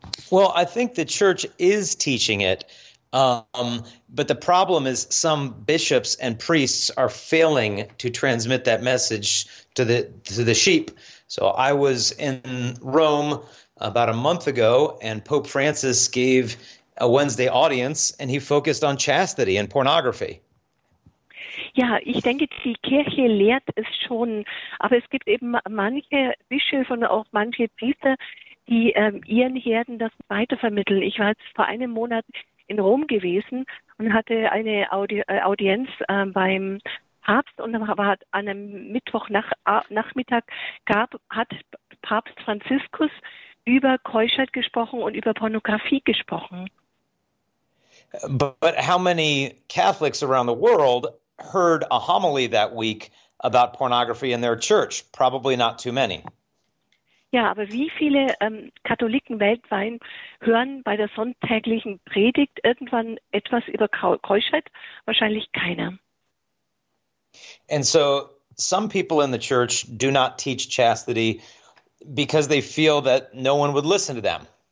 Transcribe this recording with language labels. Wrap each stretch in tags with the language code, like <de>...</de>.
<en>Well, I think the church is teaching it, but the problem is some bishops and priests are failing to transmit that message to the sheep. So I was in Rome about a month ago, and Pope Francis gave a Wednesday audience, and he focused on chastity and pornography.</en> <de>Ja, ich denke, die Kirche lehrt es schon, aber es gibt eben manche Bischöfe und auch manche Priester, die ihren Herden das weitervermitteln. Ich war jetzt vor einem Monat in Rom gewesen und hatte eine Audienz beim Papst und war an einem Mittwochnachmittag hat Papst Franziskus über Keuschheit gesprochen und über Pornografie gesprochen.</de> <en>But how many Catholics around the world heard a homily that week about pornography in their church? Probably not too many.</en> <de>Ja, aber wie viele Katholiken weltweit hören bei der sonntäglichen Predigt irgendwann etwas über Keuschheit? Wahrscheinlich keiner.</de> <en>And so some people in the church do not teach chastity because they feel that no one would listen to them.</en>